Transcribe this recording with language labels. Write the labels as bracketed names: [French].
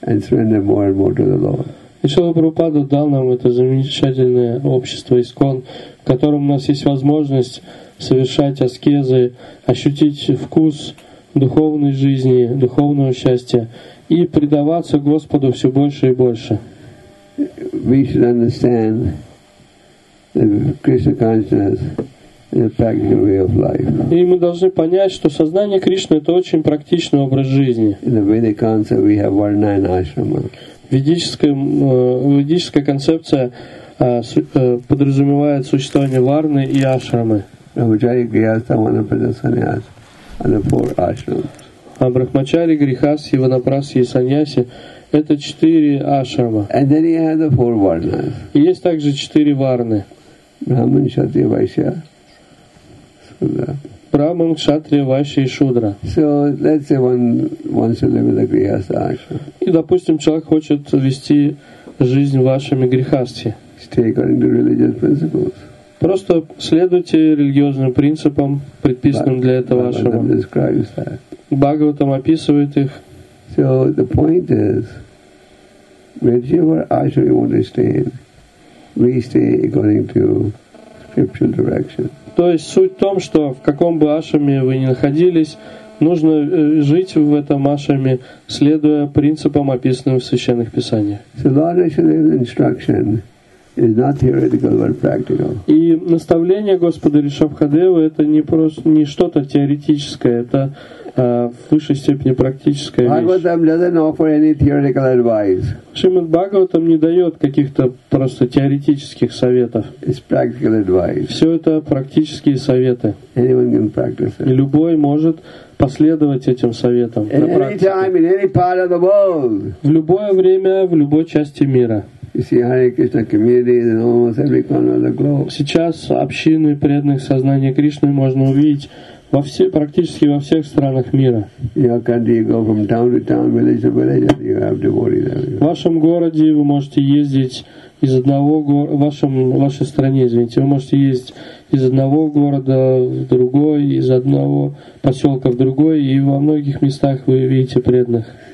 [Russian] И Шрила Прабхупада дал нам это замечательное общество ISKCON, в котором у нас есть возможность совершать аскезы, ощутить вкус духовной жизни, духовного счастья, и предаваться Господу все больше и больше. [English] We should understand that Krishna consciousness is a practical way of life. [Russian] И мы должны понять, что сознание Кришны — это очень практичный образ жизни. [English] In the Vedic concept, we have varna and ashrama. [Russian] Ведическая концепция подразумевает существование варны и ашрамы. А брахмачари, грихас, иванапрас и саньяси – это четыре ашрама. [English] And then he had the four varnas. [Russian] И есть также четыре варны. Брахман, кшатрия, вайшья, шудра. Брахман, кшатрия, вайшья и шудра. [English] So, let's say one wants to live in a грихаста ашрама. [Russian] И, допустим, человек хочет вести жизнь в вашем грихасте. [English] Stay according to religious principles. [Russian] Просто следуйте религиозным принципам, предписанным для этого ашрама. Бхагаватам описывает их. [English] So the point is, whichever ashram you want to stay in, we stay according to scriptural direction. [Russian] То есть суть в том, что в каком бы ашраме вы ни находились, нужно жить в этом ашраме, следуя принципам, описанным в священных писаниях. [English] So Lord Rishadeva's instruction is not theoretical but practical. [Russian] И наставление Господа Ришабхадевы это не просто не что-то теоретическое, это в высшей степени практическая вещь. [English] Bhagavatam doesn't offer any theoretical advice. [Russian] Шримад Бхагаватам не дает каких-то просто теоретических советов. [English] It's practical advice. [Russian] Все это практические советы. [English] Anyone can practice it. [Russian] И любой может последовать этим советам. [English] In any time, in any part of the world. [Russian] В любое время, в любой части мира. Сейчас общины преданных сознания Кришны можно увидеть во все, практически во всех странах мира. В вашем городе вы можете ездить из одного города, вашей стране, извините, вы можете ездить из одного города в другой, из одного поселка в другой, и во многих местах вы видите преданных.